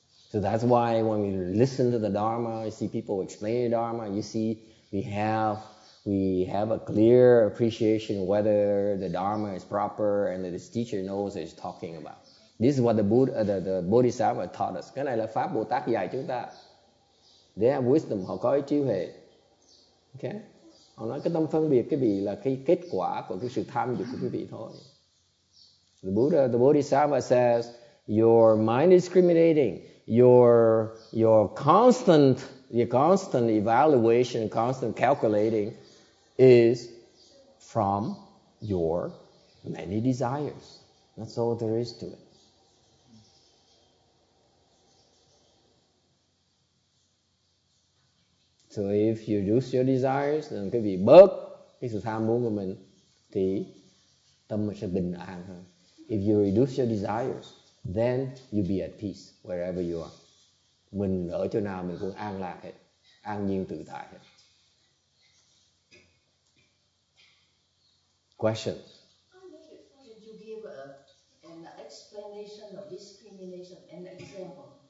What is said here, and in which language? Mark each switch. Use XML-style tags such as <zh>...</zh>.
<en>So that's why when we listen to the Dharma, you see people explain the Dharma, you see we have a clear appreciation whether the Dharma is proper and that this teacher knows what he's talking about. This is what the Bodhisattva taught us.</en> <vi>Cái này là Pháp Bồ Tát dạy chúng ta.</vi> <en>They have wisdom,</en> <vi>họ có trí huệ. Okay? Họ nói cái tâm phân biệt cái vị là cái kết quả của cái sự tham dục của quý vị thôi.</vi> <en>The Bodhisattva says, your mind is discriminating. Your constant evaluation, constant calculating is from your many desires. That's all there is to it. So if you reduce your desires, then</en> <vi>cái vị bớt cái sự tham muốn của mình thì tâm mình sẽ bình an hơn.</vi> <en>If you reduce your desires, then you be at peace wherever you are.</en> <vi>Mình ở chỗ nào mình cũng an lạc hết, an nhiên tự tại hết.</vi> <en>Questions? Could you give an explanation of discrimination, an example?</en>